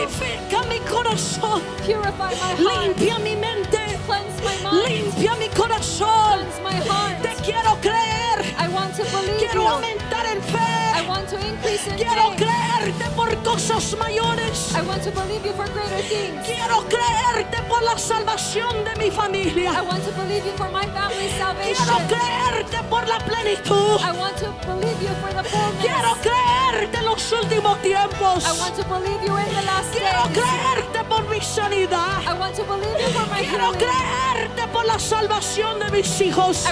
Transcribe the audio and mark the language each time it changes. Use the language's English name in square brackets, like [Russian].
[Spanish] Purifica mi corazón. [English] Purify my heart. [Spanish] Limpia mi mente. [English] Cleanse my mind. [Spanish] Limpia mi corazón. Te quiero creer. [English] I want to believe. [Spanish] Quiero [English] you. [Spanish] Aumentar en fe. [English] I want to increase in [Spanish] quiero [English] faith. [Spanish] Creerte por cosas mayores. [English] I want to believe you for greater things. [Spanish] Quiero creerte por la salvación de mi familia. [English] I want to believe you for my family's salvation. [Spanish] Quiero creerte por la plenitud. [English] I want to believe you for the fullness. [Spanish] Quiero creerte los últimos tiempos. [English] I want to believe you in the last [Spanish] quiero [English] days. [Spanish] Quiero creerte por mi sanidad. [English] I want to believe you for my [Spanish] quiero [English] healing. [Spanish] Creerte por la salvación de mis hijos.